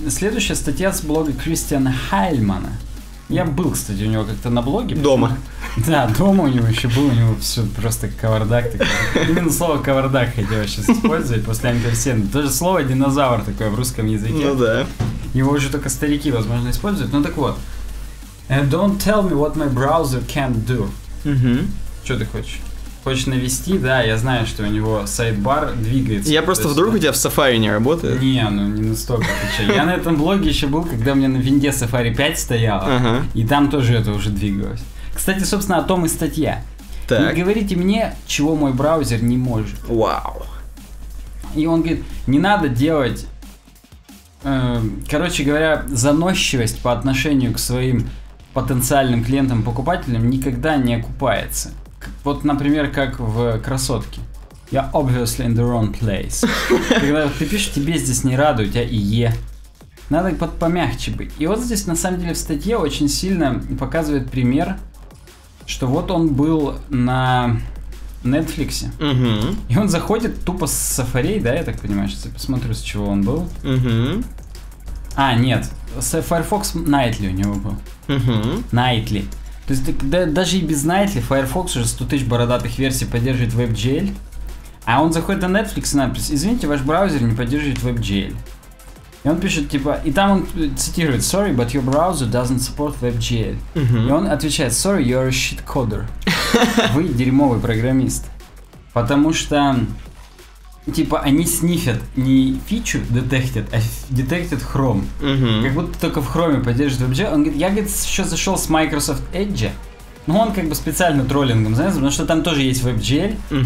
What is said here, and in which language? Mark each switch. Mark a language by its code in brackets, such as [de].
[ru] Следующая статья с блога Кристиана Хайльмана. Я был, кстати, у него как-то на блоге. Дома. Да, дома у него еще был, у него все просто кавардак такой. Именно слово кавардак хотел сейчас использовать после амперсента. То же слово динозавр такое в русском языке. Ну да. Его уже только старики, возможно, используют. Ну так вот. [en] And don't tell me what my browser can't do. [ru] Что ты хочешь? Хочешь навести, да, я знаю, что у него сайдбар двигается. Я просто вдруг у тебя в Safari не работает? Не, ну не настолько. Я на этом блоге еще был, когда у меня на винде Safari 5 стояло, и там тоже это уже двигалось. Кстати, собственно, о том и статья. Так. Не говорите мне, чего мой браузер не может. Вау. И он говорит, не надо делать, короче говоря, заносчивость по отношению к своим потенциальным клиентам-покупателям никогда не окупается. Вот, например, как в «Красотке». [en] Я obviously in the wrong place. [ru] Когда ты пишешь, тебе здесь не радуют, а и е. Надо помягче быть. И вот здесь, на самом деле, в статье очень сильно показывает пример, что вот он был на Netflix. И он заходит тупо с Safari, да, я так понимаю, сейчас я посмотрю, с чего он был. А, нет, с Firefox Nightly у него был. Nightly. То есть да, даже и без Nightly Firefox уже 100 тысяч бородатых версий поддерживает WebGL. А он заходит на Netflix и надпись: извините, ваш браузер не поддерживает WebGL. И он пишет, типа, и там он цитирует: [en] sorry, but your browser doesn't support WebGL. [ru] И он отвечает: [en] sorry, you're a shit coder. [ru] Вы дерьмовый программист. Потому что, типа, они снифят не фичу детектят, а детектят Chrome. Как будто только в Chrome поддерживает WebGL. Он говорит, я, говорит, еще зашел с Microsoft Edge. Ну, он как бы специально троллингом занялся, потому что там тоже есть WebGL.